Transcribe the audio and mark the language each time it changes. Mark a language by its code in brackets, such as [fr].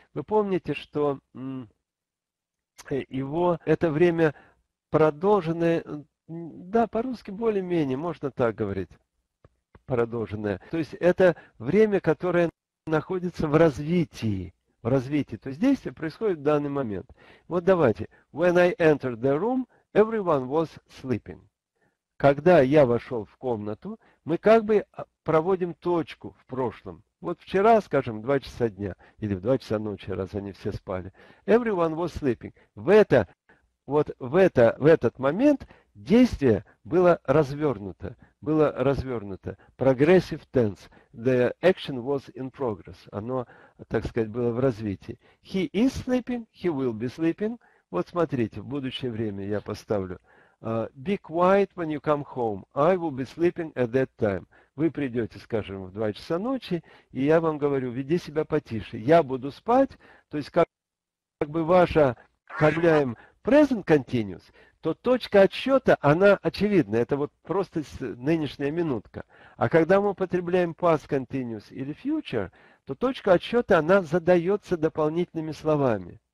[ru] Вы помните, что его это время продолженное, да, по-русски более-менее, можно так говорить. Продолженное. То есть это время, которое находится в развитии. В развитии. То есть действие происходит в данный момент. Вот давайте. [en] When I entered the room, everyone was sleeping. [ru] Когда я вошел в комнату, мы как бы проводим точку в прошлом. Вот вчера, скажем, в 2 часа дня или в 2 часа ночи, раз они все спали. [en] Everyone was sleeping. [ru] В этот момент действие было развернуто. Было развернуто. Progressive tense. [en] The action was in progress. [ru] Оно, так сказать, было в развитии. [en] He is sleeping. He will be sleeping. [ru] Вот смотрите, в будущее время я поставлю. [en] Be quiet when you come home. I will be sleeping at that time. [ru] Вы придете, скажем, в 2 часа ночи, и я вам говорю, веди себя потише. Я буду спать. То есть, как бы ваша, кормляем present continuous, то точка отсчета, она очевидна. Это вот просто нынешняя минутка. А когда мы употребляем past continuous или future, то точка отсчета, она задается дополнительными словами.